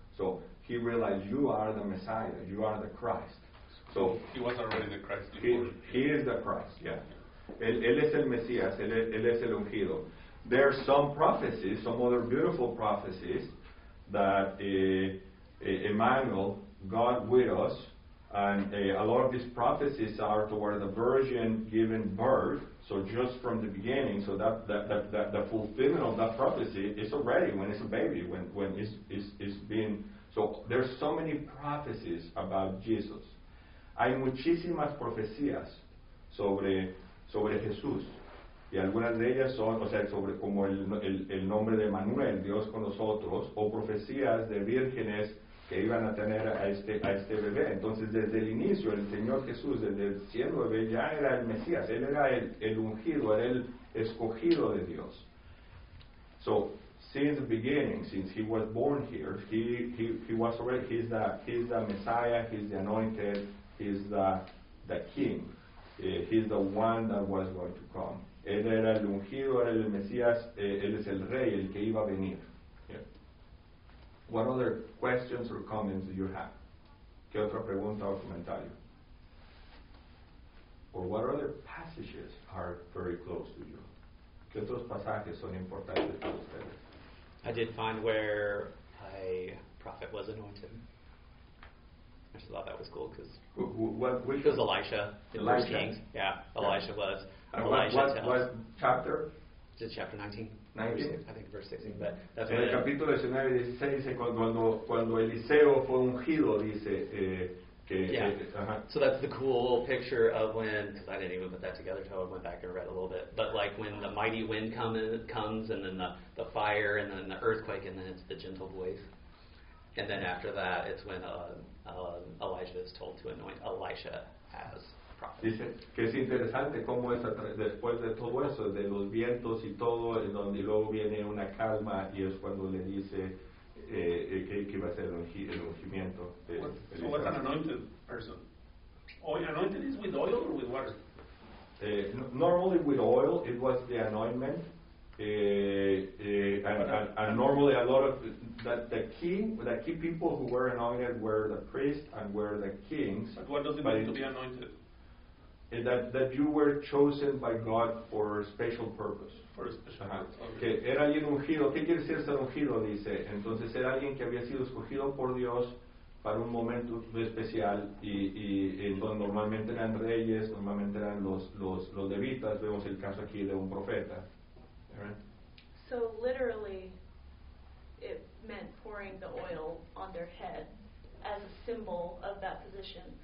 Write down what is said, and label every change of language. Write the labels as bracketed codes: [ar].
[en] So he realized you are the Messiah, you are the Christ. So he was already the Christ before. He is the Christ, yeah. [es] Él es el Mesías, él es el ungido. [en] There are some prophecies, some other beautiful prophecies that Emmanuel, God with us, And a lot of these prophecies are toward the virgin giving birth, so just from the beginning, so that the fulfillment of that prophecy is already when it's a baby, when it's being. So there's so many prophecies about Jesus. [es] Hay muchísimas profecías sobre Jesús. Y algunas de ellas son, o sea, sobre como el nombre de Manuel, Dios con nosotros, o profecías de vírgenes que iban a tener a este bebé. Entonces, desde el inicio, el Señor Jesús, desde el cielo bebé, ya era el Mesías. Él era el ungido, era el escogido de Dios. [en] So, since the beginning, since he was born here, he was already, he's the Messiah, he's the anointed, he's the king. He's the one that was going to come. [es] Él era el ungido, era el Mesías, él es el rey, el que iba a venir. [en] What other questions or comments do you have? [es] ¿Qué otra pregunta o comentario? [en] Or what other passages are very close to you? [es] ¿Qué otros pasajes son importantes para ustedes? [en] I did find where a prophet was anointed. I just thought that was cool because which was Elisha. Elisha. Kings. Yeah, Elisha was. What chapter? Is it chapter 19? 19? I think verse 16, but that's what it is. [es] En el capítulo 19, 16, dice, cuando Eliseo fue ungido, dice, que... [en] Yeah. Uh-huh. So that's the cool picture of when, because I didn't even put that together until I went back and read a little bit, but like when the mighty wind comes, and then the fire, and then the earthquake, and then it's the gentle voice. And then after that, it's when Elijah is told to anoint Elisha as... [es] Dice que es interesante cómo es después de todo eso, de los vientos y todo, y donde luego viene una calma y es cuando le dice que va a ser el ungimiento. [en] What an anointed person. Oil, anointed is with oil or with water? Normally with oil, it was the anointment. And normally a lot of the key people who were anointed were the priests and were the kings. But what does it mean to be anointed? That you were chosen by God for a special purpose. For a special purpose. Okay. [es] Que era alguien ungido. ¿Qué quiere decir ser ungido? Dice. Entonces era alguien que había sido escogido por Dios para un momento especial. Y entonces normalmente eran reyes, normalmente eran los levitas. Vemos el caso aquí de un profeta. [en] Right. So literally, it meant pouring the oil on their head as a symbol of that position.